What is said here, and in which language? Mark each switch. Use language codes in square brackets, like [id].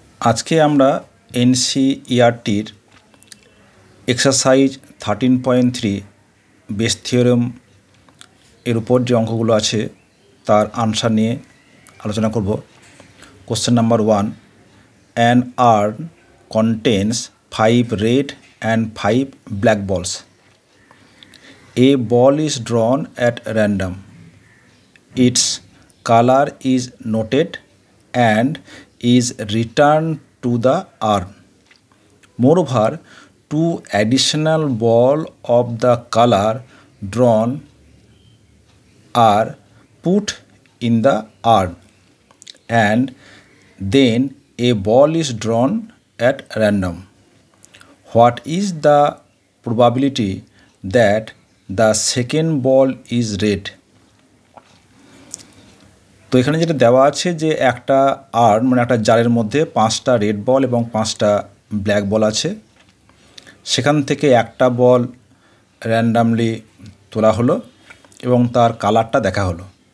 [bn] আজকে আমরা NCERT এর এক্সারসাইজ 13.3 বেস থিওরেম এর উপর যে অঙ্কগুলো আছে তার আনসার নিয়ে আলোচনা করব। [en] Question number 1, an urn contains 5 red and 5 black balls. A ball is drawn at random. Its color is noted and is returned to the urn. Moreover, two additional balls of the color drawn are put in the urn and then a ball is drawn at random. What is the probability that the second ball is red? [bn] তো এখানে যেটা দেওয়া আছে যে একটা আর মানে একটা জারের মধ্যে পাঁচটা রেড বল এবং পাঁচটা ব্ল্যাক বল আছে, সেখান থেকে একটা বল র্যান্ডামলি তোলা হলো এবং তার কালারটা দেখা হলো।